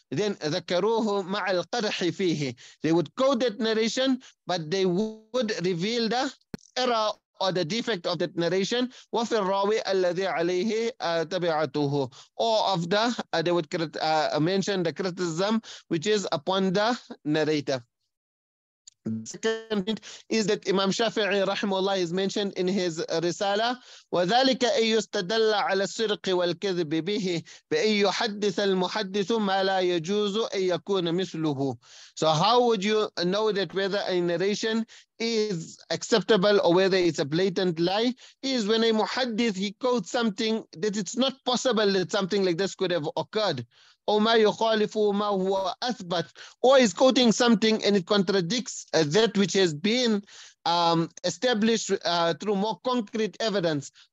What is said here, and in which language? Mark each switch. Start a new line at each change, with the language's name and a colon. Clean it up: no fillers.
English: Then
Arabic: ذَكَرُوهُ مَعَ الْقَرْحِ فِيهِ,
English: they would quote that narration, but they would reveal the error or the defect of that narration.
Arabic: وَفِي الرَّاوِي الَّذِي عَلَيْهِ تَبِعَتُهُ,
English: or of the, they would mention the criticism which is upon the narrator. Second is that Imam Shafi'i rahimahullah is mentioned in his risala,
Arabic: وذلك أن يستدل على السرق والكذب به بأن يحدث المحدث ما لا يجوز أن يكون مثله.
English: So how would you know that whether a narration is acceptable or whether it's a blatant lie, is when a muhaddith, he quotes something that it's not possible that something like this could have occurred. Or
Arabic: ma yukhalifu ma huwa athbat,
English: or is quoting something and it contradicts that which has been established through more concrete evidence.